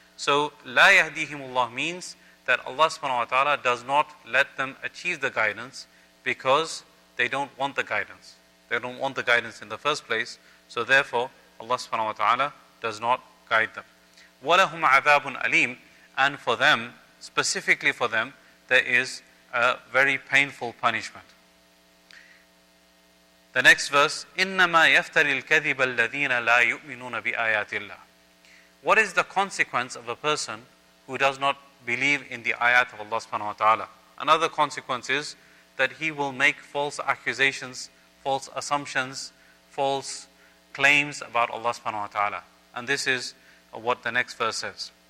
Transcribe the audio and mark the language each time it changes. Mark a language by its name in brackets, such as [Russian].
[English] So, la yahdihimullah means that Allah subhanahu wa ta'ala does not let them achieve the guidance because they don't want the guidance. They don't want the guidance in the first place, so therefore, Allah subhanahu wa ta'ala does not guide them. [Arabic] وَلَهُمْ عَذَابٌ أَلِيمٌ. [English] And for them, specifically for them, there is a very painful punishment. The next verse, [Arabic] إِنَّمَا يَفْتَرِي الْكَذِبَ الَّذِينَ لَا يُؤْمِنُونَ بِآيَاتِ اللَّهِ. [English] What is the consequence of a person who does not believe in the ayat of Allah subhanahu wa ta'ala? Another consequence is that he will make false accusations, false assumptions, false claims about Allah subhanahu wa ta'ala. And this is what the next verse says.